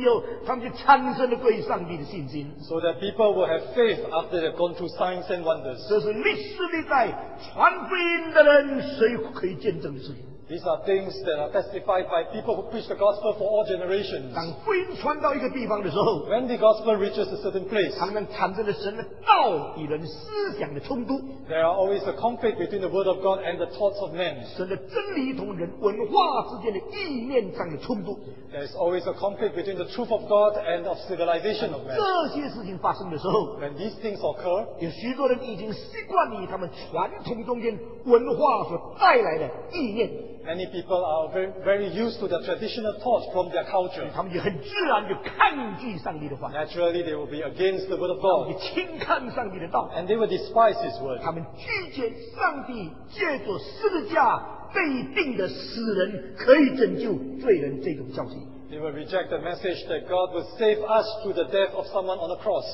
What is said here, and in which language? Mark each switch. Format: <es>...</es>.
<zh>所以使一些的人经历神迹奇事以后他们就产生了对上帝的信心,</zh> <en>so that people will have faith after they've gone through signs and wonders.</en> <zh>这是历史历代传福音的人谁可以见证的事情,</zh> <en>these are things that are testified by people who preach the gospel for all generations.</en> <zh>当福音传到一个地方的时候,</zh> <en>when the gospel reaches a certain place,</en> <zh>他们产生了神的道与人思想的冲突,</zh> <en>there are always a conflict between the word of God and the thoughts of men.</en> <zh>神的真理同人文化之间的意念上的冲突,</zh> <en>there is always a conflict between the truth of God and of civilization of men.</en> <zh>这些事情发生的时候,</zh> <en>when these things occur,</en> <zh>有许多人已经习惯于他们传统中间文化所带来的意念,</zh> <en>many people are very used to the traditional thoughts from their culture.</en> <zh>他们也很自然就抗拒上帝的话,</zh> <en>naturally they will be against the word of God.</en> <zh>他们也轻看上帝的道,</zh> <en>and they will despise his word.</en> <zh>他们拒绝上帝借着十字架被钉的死人可以拯救罪人这种教训,</zh> <en>They will reject the message that God will save us through the death of someone on a cross.</en>